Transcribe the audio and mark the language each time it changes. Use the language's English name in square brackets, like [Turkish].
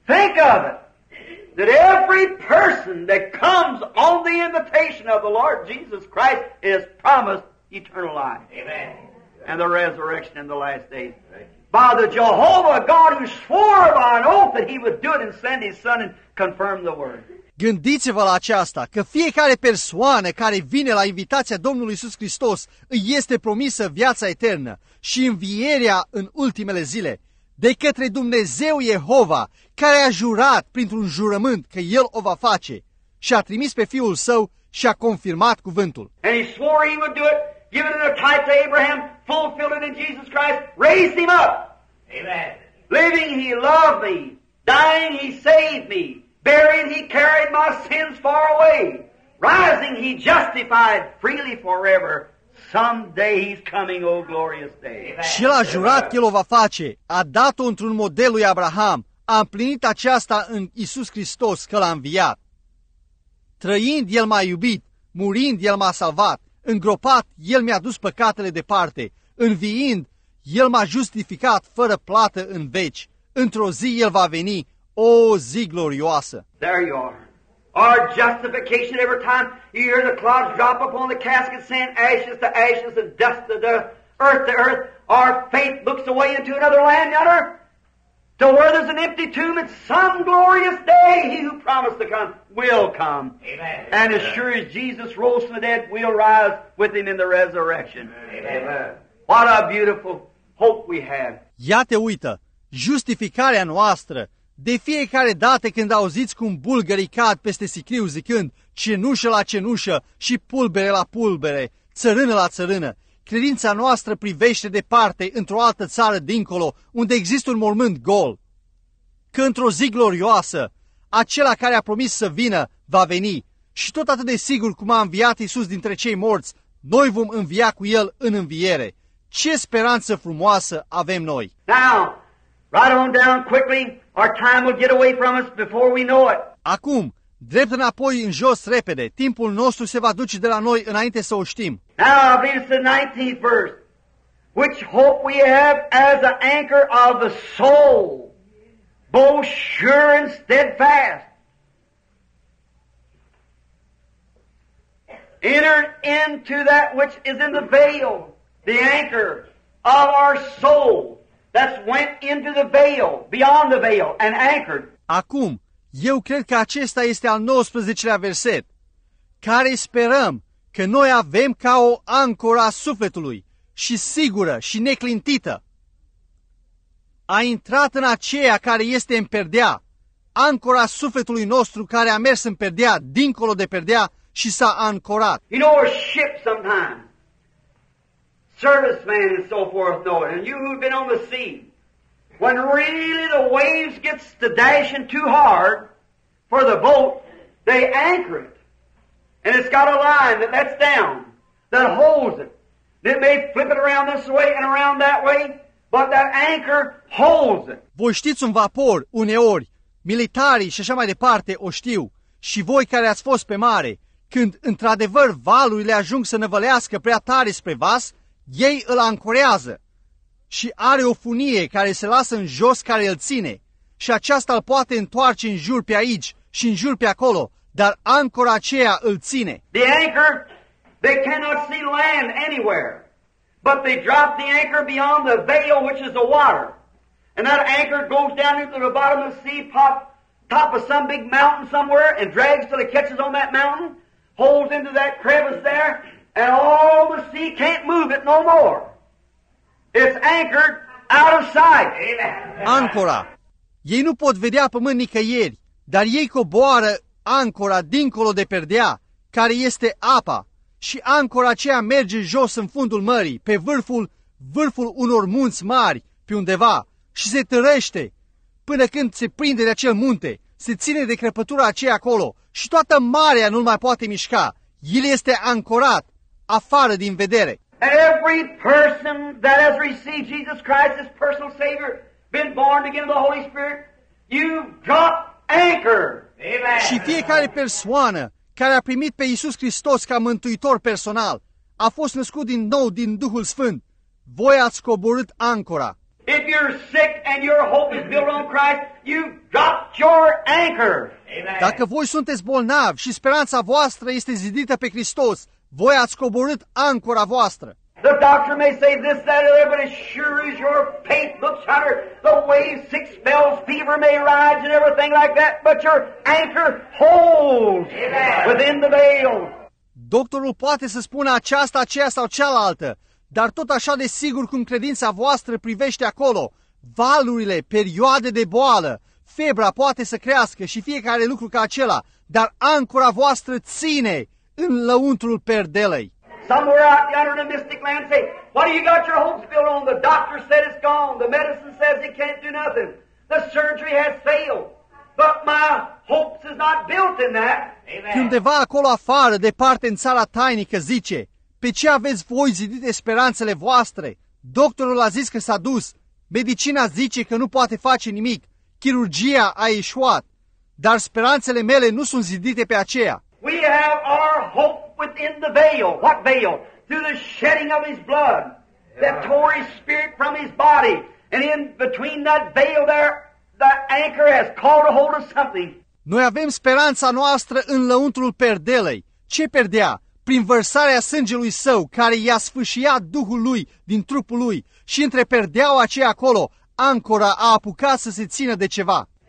[English] Think of it, that every person that comes on the invitation of the Lord Jesus Christ is promised eternal life. Amen. And the resurrection in the last days. By the Jehovah God who swore by an oath that he would do it and send his son and confirm the word. [Romanian] Gândiți-vă la aceasta, că fiecare persoană care vine la invitația Domnului Iisus Hristos îi este promisă viața eternă și învierea în ultimele zile de către Dumnezeu Jehova, care a jurat printr-un jurământ că El o va face și a trimis pe Fiul Său și a confirmat cuvântul. [English] And he swore he would do it, give it in a type to Abraham, fulfilled it in Jesus Christ, raised him up. Amen. Living he loved me, dying he saved me. Buried, he carried my sins far away. Rising, he justified freely forever. Someday he's coming, oh glorious day. [Romanian] Și el a jurat că el o va face. A dat-o într-un model lui Abraham. A împlinit aceasta în Iisus Hristos, că l-a înviat. Trăind, el m-a iubit. Murind, el m-a salvat. Îngropat, el mi-a dus păcatele departe. Înviind, el m-a justificat fără plată în veci. Într-o zi, el va veni. O zi glorioasă. [English] There you are. Our justification every time you hear the clouds drop upon the casket saying ashes to ashes and dust to earth, our faith looks away into another land yonder to where there's an empty tomb and some glorious day he who promised to come will come. Amen. And as sure as Jesus rose from the dead, we'll rise with him in the resurrection. Amen. What a beautiful hope we have. [Romanian] Iată, uită, justificarea noastră. De fiecare dată când auziți cum bulgării cad peste sicriu zicând cenușă la cenușă și pulbere la pulbere, țărână la țărână, credința noastră privește departe într-o altă țară dincolo unde există un mormânt gol. Că într-o zi glorioasă, acela care a promis să vină va veni și tot atât de sigur cum a înviat Iisus dintre cei morți, noi vom învia cu El în înviere. Ce speranță frumoasă avem noi! [English] Now, right on down quickly. Our time will get away from us before we know it. [Romanian] Acum, drept înapoi în jos repede, timpul nostru se va duce de la noi înainte să o știm. [English] Now, I believe it's the 19th verse. Which hope we have as an anchor of the soul, both sure and steadfast. Enter into that which is in the veil, the anchor of our soul. That's went into the veil, beyond the veil, and anchored. [Romanian] Acum, eu cred că acesta este al 19-lea verset, care sperăm că noi avem ca o ancoră a sufletului și sigură și neclintită. A intrat în aceea care este în perdea, ancora sufletului nostru care a mers în perdea, dincolo de perdea și s-a ancorat. [English] You know, a ship sometimes. Servicemen and so forth know it. And you who've been on the sea, when really the waves gets to dashing too hard for the boat, they anchor it. And it's got a line that lets down, that holds it. It may flip it around this way and around that way, but that anchor holds it. [Romanian] Voi știți un vapor, uneori, militarii și așa mai departe o știu. Și voi care ați fost pe mare, când într-adevăr valurile ajung să năvălească prea tare spre vas, ei îl ancorează și are o funie care se lasă în jos care îl ține și aceasta îl poate întoarce în jur pe aici și în jur pe acolo, dar ancora aceea îl ține. [English] The anchor, they cannot see land anywhere, but they drop the anchor beyond the veil which is the water. And that anchor goes down into the bottom of the sea, pop top of some big mountain somewhere and drags till it catches on that mountain, holds into that crevice there, and all the sea can't move it no more. It's anchored out of sight. [Romanian] Ancora. Ei nu pot vedea pământ nicăieri, dar ei coboară ancora dincolo de perdea, care este apa, și ancora aceea merge jos în fundul mării, pe vârful unor munți mari, pe undeva, și se târăște până când se prinde de acel munte, se ține de crăpătura aceea acolo și toată marea nu-l mai poate mișca. El este ancorat, afară din vedere. [English] Every person that has received Jesus Christ as personal Savior, been born again of the Holy Spirit, you drop anchor. Amen. [Romanian] Și fiecare persoană care a primit pe Iisus Hristos ca mântuitor personal, a fost născut din nou din Duhul Sfânt, voi ați coborât ancora. [English] If you're sick and your hope is built on Christ, you've dropped your anchor. Amen. [Romanian] Dacă voi sunteți bolnavi și speranța voastră este zidită pe Hristos, voi ați coborât ancora voastră. [English] The doctor may say this, that, or that, but as sure as your faith looks higher, the waves, six bells, fever may rise and everything like that, but your anchor holds. Amen. Within the veil. [Romanian] Doctorul poate să spună aceasta, aceea sau cealaltă, dar tot așa de sigur cum credința voastră privește acolo, valurile, perioade de boală, febra poate să crească și fiecare lucru ca acela, dar ancora voastră ține în lăuntrul perdelei. [English] Somewhere out there in a mystic land say, what do you got your hopes built on? The doctor said it's gone. The medicine says it can't do nothing. The surgery has failed. But my hopes is not built in that. Amen. [Romanian] Undeva acolo afară, departe în țara tainică, zice, pe ce aveți voi zidite speranțele voastre? Doctorul a zis că s-a dus. Medicina zice că nu poate face nimic. Chirurgia a eșuat. Dar speranțele mele nu sunt zidite pe aceea. [English] We have our hope within the veil. What veil? Through the shedding of his blood. That tore his spirit from his body. And in between that veil there, the anchor has caught a hold of something. [Romanian] Noi avem speranța noastră în lăuntrul perdelei. Ce perdea? Prin vărsarea sângelui său, care i-a sfâșiat duhul lui din trupul lui, și între perdeaua aceea acolo, ancora a apucat să se țină de ceva.